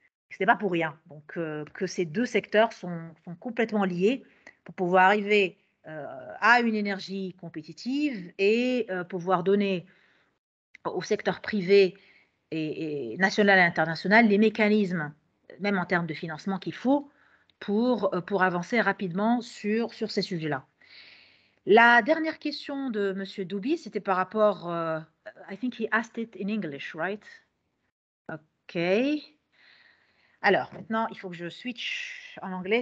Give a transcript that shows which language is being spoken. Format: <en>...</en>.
<fr>Ce n'est pas pour rien donc, que ces deux secteurs sont complètement liés pour pouvoir arriver à une énergie compétitive et pouvoir donner au secteur privé et national et international les mécanismes, même en termes de financement, qu'il faut pour avancer rapidement sur ces sujets-là. La dernière question de M. Doubi, c'était par rapport...</fr> <en>I think he asked it in English, right? OK.</en> <fr>Alors, maintenant, il faut que je switch en anglais.</fr>